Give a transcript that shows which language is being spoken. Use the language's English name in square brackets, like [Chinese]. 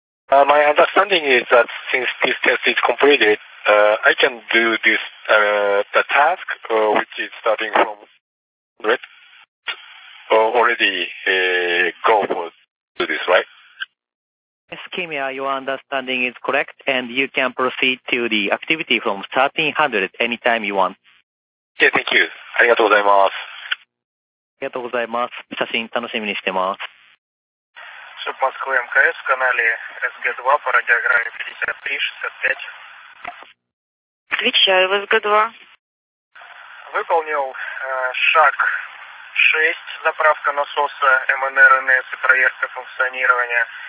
[English] My understanding is that since this test is completed, I can do this the task, which is starting from red, already go for do this, right? Yes, Kimia, your understanding is correct, and you can proceed to the activity from 1300 anytime you want. Okay, thank you. [Japanese] ありがとうございます。写真楽しみにしてます。 [Russian] Суд Москвы МКС, канале СГ-2, по радиограмме 5365. Отвечаю в СГ-2. Выполнил шаг 6, заправка насоса МНРНС и проверка функционирования.